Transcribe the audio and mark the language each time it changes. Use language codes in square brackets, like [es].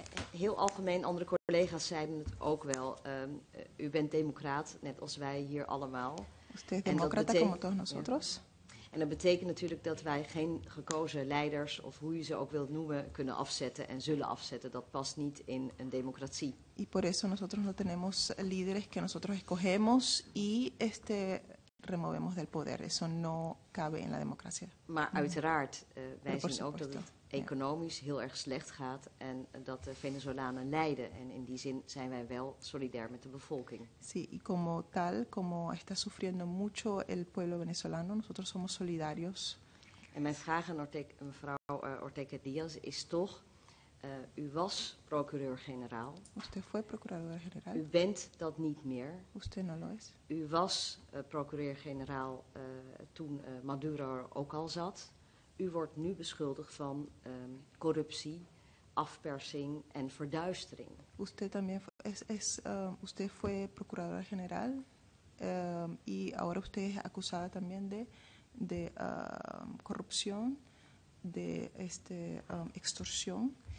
[nl] Heel algemeen, andere collega's zeiden het ook wel. U bent democraat, net als wij hier allemaal. [es] Usted democrata como todos nosotros. [nl] En dat betekent natuurlijk dat wij geen gekozen leiders, of hoe je ze ook wilt noemen, kunnen afzetten en zullen afzetten. Dat past niet in een democratie. [es] Y por eso nosotros no tenemos líderes que nosotros escogemos y removemos del poder. Eso no cabe en la democracia. [nl] Maar uiteraard, wij zien ook dat het economisch heel erg slecht gaat en dat de Venezolanen lijden. En in die zin zijn wij wel solidair met de bevolking. [es] Sí, y como tal, como está sufriendo mucho el pueblo venezolano, nosotros somos solidarios. [nl] En mijn vraag aan mevrouw Ortega Diaz is toch, u was procureur-generaal. [es] Usted fue procurador-general. [nl] U bent dat niet meer. [es] Usted no lo es. [nl] U was procureur-generaal toen Maduro ook al zat. U wordt nu beschuldigd van corruptie, afpersing en verduistering. [es] Usted también usted fue procurador-general y ahora usted es acusada también de corrupción, de extorsión.